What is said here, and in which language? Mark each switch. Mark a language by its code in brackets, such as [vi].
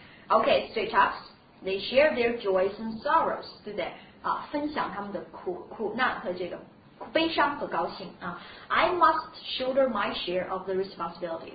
[en] Okay, straight up, they share their joys and sorrows, [zh] 对不对？啊，分享他们的苦难和这个悲伤和高兴啊。 [en] I must shoulder my share of the responsibility.